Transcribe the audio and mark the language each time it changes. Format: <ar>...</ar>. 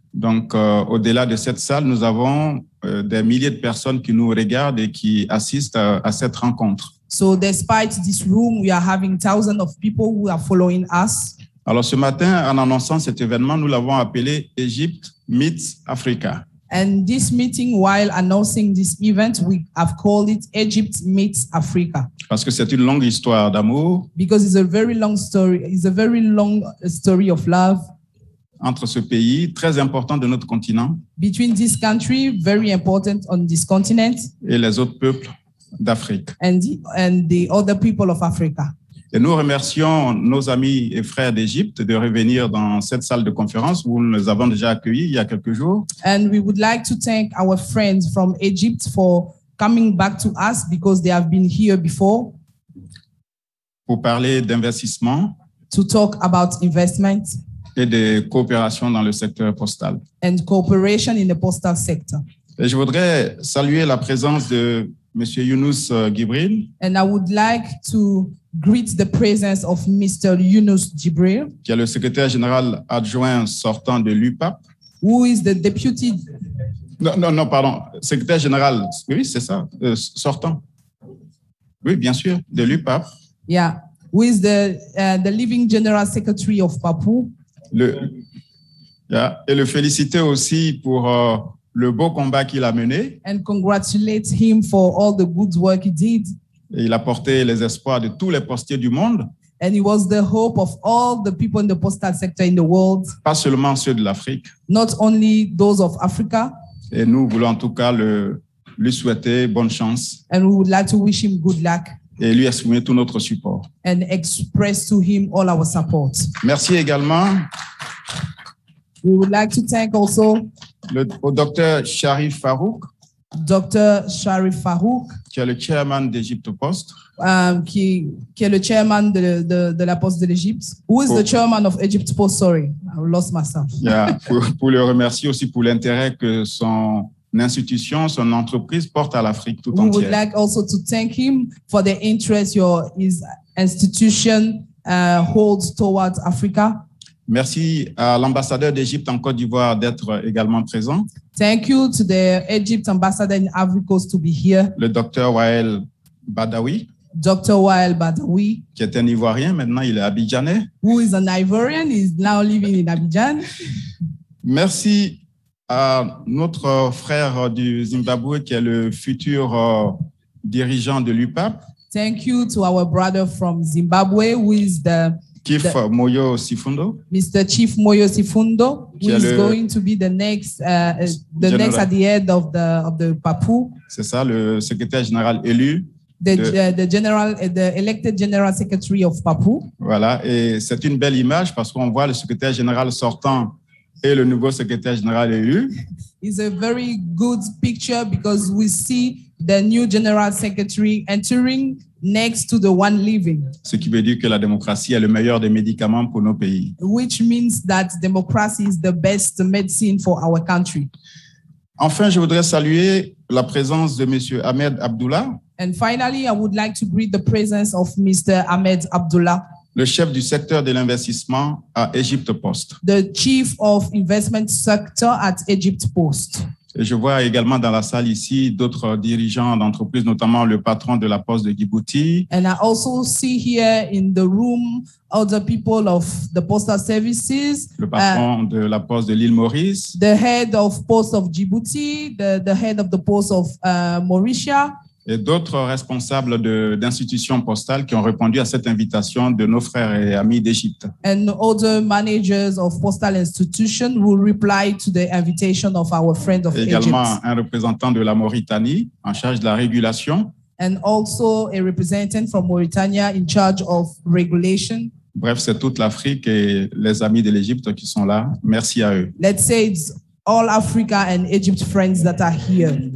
<fr>Donc, au-delà de cette salle, nous avons des milliers de personnes qui nous regardent et qui assistent à cette rencontre.</fr> <en>So, despite this room, we are having thousands of people who are following us.</en> <fr>Alors, ce matin, en annonçant cet événement, nous l'avons appelé Egypt Meets Africa.</fr> <en>And this meeting, while announcing this event, we have called it Egypt Meets Africa.</en> <fr>Parce que c'est une longue histoire d'amour.</fr> <en>Because it's a very long story. It's a very long story of love.</en> <fr>Entre ce pays très important de notre continent.</fr> <en>Between this country, very important on this continent.</en> <fr>Et les autres peuples d'Afrique.</fr> <en>And the other people of Africa.</en> <fr>Et nous remercions nos amis et frères d'Égypte de revenir dans cette salle de conférence où nous les avons déjà accueillis il y a quelques jours.</fr> <en>And we would like to thank our friends from Egypt for coming back to us because they have been here before.</en> <fr>Pour parler d'investissement.</fr> <en>To talk about investment.</en> <fr>Et de coopération dans le secteur postal.</fr> <en>And cooperation in the postal sector.</en> <fr>Et je voudrais saluer la présence de Monsieur Younous Gibril.</fr> <en>And I would like to greet the presence of Mr. Younous Gibril,</en> <fr>qui est le secrétaire général adjoint sortant de l'UPAP.</fr> <en>Who is the deputy?</en> <fr>Non, pardon. Secrétaire général. Oui, c'est ça. Sortant. Oui, bien sûr, de l'UPAP.</fr> <en>Yeah. Who is the living general secretary of PAPU?</en> <fr>Et le féliciter aussi pour le beau combat qu'il a mené.</fr> <en>And congratulate him for all the good work he did.</en> <fr>Et il a porté les espoirs de tous les postiers du monde.</fr> <en>And he was the hope of all the people in the postal sector in the world.</en> <fr>Pas seulement ceux de l'Afrique.</fr> <en>Not only those of Africa.</en> <fr>Et nous voulons en tout cas lui souhaiter bonne chance.</fr> <en>And we would like to wish him good luck.</en> <fr>Et lui exprimer tout notre support.</fr> <en>And express to him all our support.</en> <fr>Merci également.</fr> <en>We would like to thank also</en> <fr>au docteur Sharif Farouk.</fr> <en>Dr. Sharif Farouk,</en> <fr>qui est le chairman d'Egypte Post. Qui est le chairman de la Poste de l'Égypte.</fr> <en>Who is the chairman of Egypt Post? Sorry, I lost myself.</en> <fr>Yeah, pour le remercier aussi pour l'intérêt que son entreprise porte à l'Afrique tout entière.</fr> <en>We would like also to thank him for the interest his institution holds towards Africa.</en> <fr>Merci à l'ambassadeur d'Égypte en Côte d'Ivoire d'être également présent.</fr> <en>Thank you to the Egypt ambassador in Ivory Coast to be here.</en> <fr>Le docteur Wael Badawi.</fr> <en>Dr. Wael Badawi.</en> <fr>Qui est un Ivoirien, maintenant il est Abidjanais.</fr> <en>Who is an Ivorian, is now living in Abidjan.</en> <fr>Merci à notre frère du Zimbabwe qui est le futur dirigeant de l'UPAP.</fr> <en>Thank you to our brother from Zimbabwe who is the Chief Moyo Sifundo. Mr. Chief Moyo Sifundo, who is going to be the next next at the head of the PAPU.</en> <fr>C'est ça, le secrétaire général élu.</fr> <en>The elected general secretary of PAPU.</en> <fr>Voilà, et c'est une belle image parce qu'on voit le secrétaire général sortant et le nouveau secrétaire général élu.</fr> <en>It's a very good picture because we see the new general secretary entering next to the one leaving.</en> <fr>Ce qui veut dire que la démocratie est le meilleur des médicaments pour nos pays.</fr> <en>Which means that democracy is the best medicine for our country.</en> <fr>Enfin, je voudrais saluer la présence de Monsieur Ahmed Abdullah.</fr> <en>And finally, I would like to greet the presence of Mr. Ahmed Abdullah.</en> <fr>Le chef du secteur de l'investissement à Egypt Post.</fr> <en>The chief of investment sector at Egypt Post.</en> <fr>Et je vois également dans la salle ici d'autres dirigeants d'entreprises, notamment le patron de la Poste de Djibouti.</fr> <en>And I also see here in the room other people of the postal services.</en> <fr>Le patron de la Poste de l'île Maurice.</fr> <en>The head of post of Djibouti, the head of the post of Mauritius.</en> <fr>Et d'autres responsables d'institutions postales qui ont répondu à cette invitation de nos frères et amis d'Égypte.</fr> <en>And other managers of postal institutions will reply to the invitation of our friend of Egypt.</en> <fr>Également un représentant de la Mauritanie en charge de la régulation.</fr> <en>And also a representative from Mauritania in charge of regulation.</en> <fr>Bref, c'est toute l'Afrique et les amis de l'Égypte qui sont là. Merci à eux.</fr> <en>Let's say it's all Africa and Egypt friends that are here.</en>